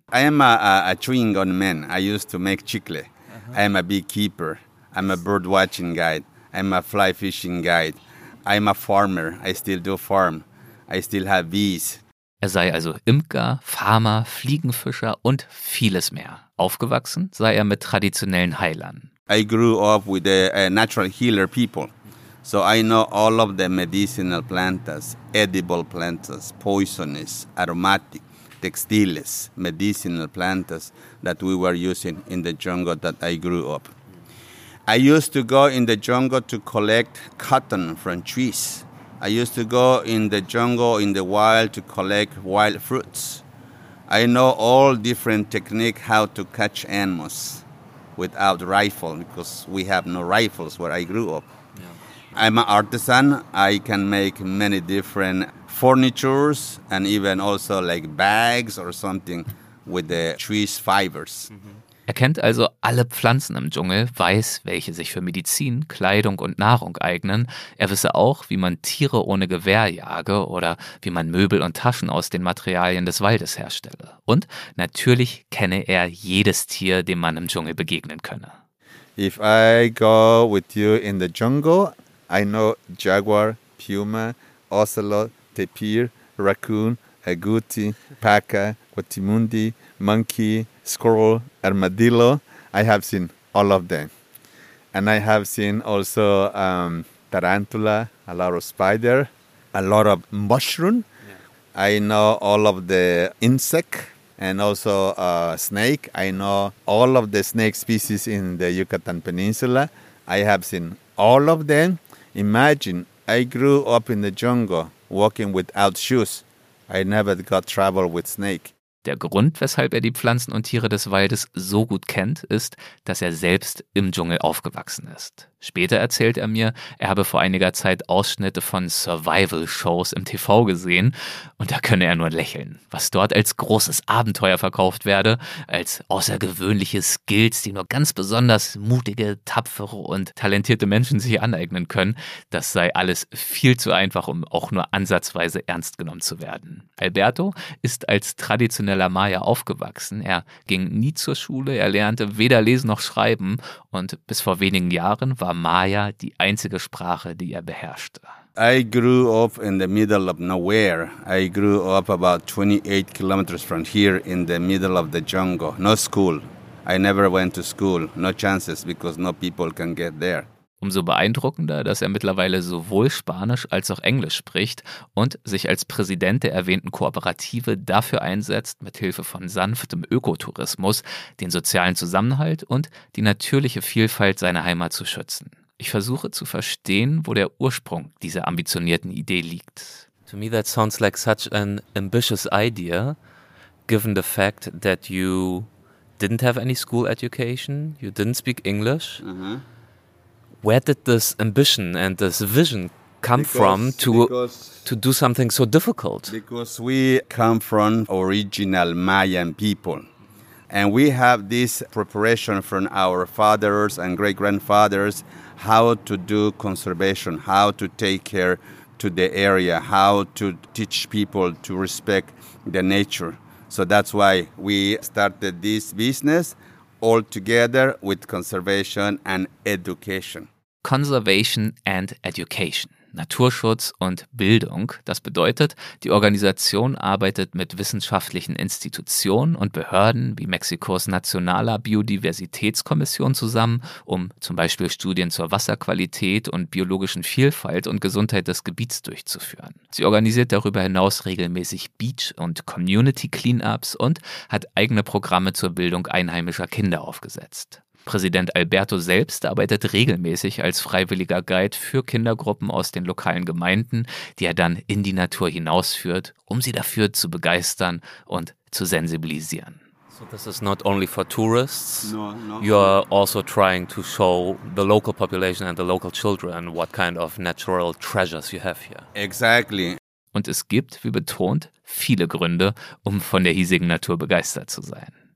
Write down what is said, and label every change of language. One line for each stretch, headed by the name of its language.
English: I am a chewing gum man. I used to make chicle. Uh-huh. I am a beekeeper. I'm a bird watching guide. I'm a fly fishing guide. I'm a farmer. I still do farm. I still have bees.
German: Er sei also Imker, Farmer, Fliegenfischer und vieles mehr. Aufgewachsen sei er mit traditionellen Heilern.
English: I grew up with the natural healer people. So I know all of the medicinal plantas, edible plantas, poisonous, aromatic, textiles, medicinal plantas that we were using in the jungle that I grew up. I used to go in the jungle to collect cotton from trees. I used to go in the jungle in the wild to collect wild fruits. I know all different techniques how to catch animals without rifle because we have no rifles where I grew up. Yeah. I'm an artisan. I can make many different furnitures and even also like bags or something with the trees fibers. Mm-hmm.
German: Er kennt also alle Pflanzen im Dschungel, weiß, welche sich für Medizin, Kleidung und Nahrung eignen. Er wisse auch, wie man Tiere ohne Gewehr jage oder wie man Möbel und Taschen aus den Materialien des Waldes herstelle. Und natürlich kenne er jedes Tier, dem man im Dschungel begegnen könne.
English: If I go with you in the jungle, I know jaguar, puma, ocelot, tapir, raccoon, agouti, paca, guatimundi, monkey, squirrel, armadillo. I have seen all of them. And I have seen also tarantula, a lot of spider, a lot of mushroom. Yeah. I know all of the insect and also snake. I know all of the snake species in the Yucatan Peninsula. I have seen all of them. Imagine, I grew up in the jungle walking without shoes. I never got travel with snake.
German: Der Grund, weshalb er die Pflanzen und Tiere des Waldes so gut kennt, ist, dass er selbst im Dschungel aufgewachsen ist. Später erzählt er mir, er habe vor einiger Zeit Ausschnitte von Survival-Shows im TV gesehen und da könne er nur lächeln. Was dort als großes Abenteuer verkauft werde, als außergewöhnliche Skills, die nur ganz besonders mutige, tapfere und talentierte Menschen sich aneignen können, das sei alles viel zu einfach, um auch nur ansatzweise ernst genommen zu werden. Alberto ist als traditioneller Maya aufgewachsen. Er ging nie zur Schule, er lernte weder lesen noch schreiben und bis vor wenigen Jahren war Maya die einzige Sprache, die er beherrschte.
English: I grew up in the middle of nowhere. I grew up about 28 kilometers from here in the middle of the jungle. No school. I never went to school. No chances because no people can get there.
German: Umso beeindruckender, dass er mittlerweile sowohl Spanisch als auch Englisch spricht und sich als Präsident der erwähnten Kooperative dafür einsetzt, mithilfe von sanftem Ökotourismus den sozialen Zusammenhalt und die natürliche Vielfalt seiner Heimat zu schützen. Ich versuche zu verstehen, wo der Ursprung dieser ambitionierten Idee liegt.
English: To me that sounds like such an ambitious idea, given the fact that you didn't have any school education, you didn't speak English. Mhm. Where did this ambition and this vision come from to do something so difficult? Because we come from original Mayan people. And we have this preparation from our fathers and great-grandfathers, how to do conservation, how to take care to the area, how to teach people to respect the nature. So that's why we started this business all together with conservation and education. Conservation and education.
German: Naturschutz und Bildung. Das bedeutet, die Organisation arbeitet mit wissenschaftlichen Institutionen und Behörden wie Mexikos Nationaler Biodiversitätskommission zusammen, um zum Beispiel Studien zur Wasserqualität und biologischen Vielfalt und Gesundheit des Gebiets durchzuführen. Sie organisiert darüber hinaus regelmäßig Beach- und Community-Cleanups und hat eigene Programme zur Bildung einheimischer Kinder aufgesetzt. Präsident Alberto selbst arbeitet regelmäßig als freiwilliger Guide für Kindergruppen aus den lokalen Gemeinden, die er dann in die Natur hinausführt, um sie dafür zu begeistern und zu sensibilisieren.
English: So this is not only for tourists. No. You are also trying to show the local population and the local children what kind of natural treasures you have here. Exactly.
German: Und es gibt, wie betont, viele Gründe, um von der hiesigen Natur begeistert zu sein.